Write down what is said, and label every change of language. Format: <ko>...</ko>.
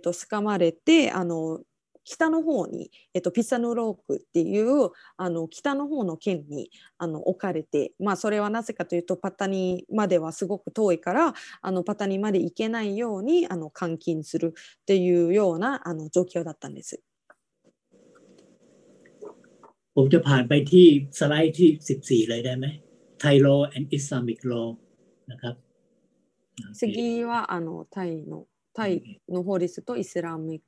<ja>捕まれてあの北の方に、ピサヌロークっていうあの北の方の県にあの置かれて、まあ、それはなぜかというとパタニまではすごく遠いからあのパタニまで行けないようにあの監禁するっていうようなあの状況だったんです。</ja> <th>ผมจะผ่านไปที่สไลด์ที่14เลยได้ไหม</th> <en>Thai law and Islamic law</en> <th>นะครับ</th> <ja>次はあのタイのタイの法律とイスラム</ja>